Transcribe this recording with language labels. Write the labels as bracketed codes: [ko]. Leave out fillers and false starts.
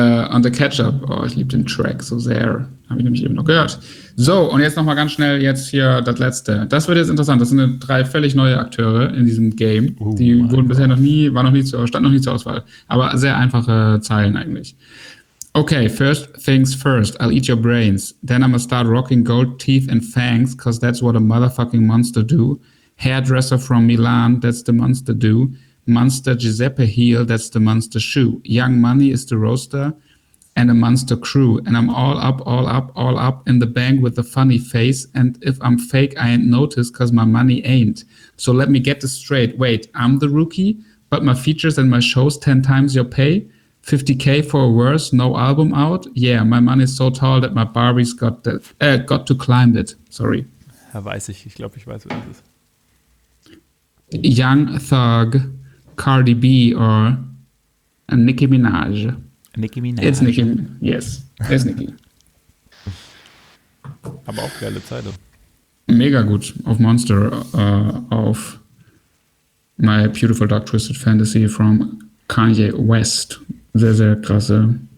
[en] On the Ketchup. [de] Oh, ich liebe den Track so sehr. Habe ich nämlich eben noch gehört. So, und jetzt nochmal ganz schnell jetzt hier das Letzte. Das wird jetzt interessant. Das sind drei völlig neue Akteure in diesem Game. Die wurden bisher noch nie zur Auswahl. Aber sehr einfache Zeilen eigentlich. [en] Okay, first things first. I'll eat your brains. Then I'm gonna start rocking gold teeth and fangs, cause that's what a motherfucking monster do. Hairdresser from Milan, that's the monster do. Monster Giuseppe heel, that's the monster shoe. Young Money is the roaster and a monster crew. And I'm all up in the bank with a funny face. And if I'm fake, I ain't noticed because my money ain't. So let me get this straight. Wait, I'm the rookie, but my features and my shows 10 times your pay. 50K for a verse, no album out. Yeah, my money's so tall that my Barbie's got to climb it. Sorry. [de] Ja, weiß ich. Ich glaube, ich weiß, was es ist. [en] Young Thug. Cardi B or Nicki Minaj. Nicki Minaj. It's Nicki. Yes, it's Nicki. [de] Aber auch geile Zeile. Mega gut auf Monster, auf My Beautiful Dark Twisted Fantasy from Kanye West. Sehr, sehr krasse.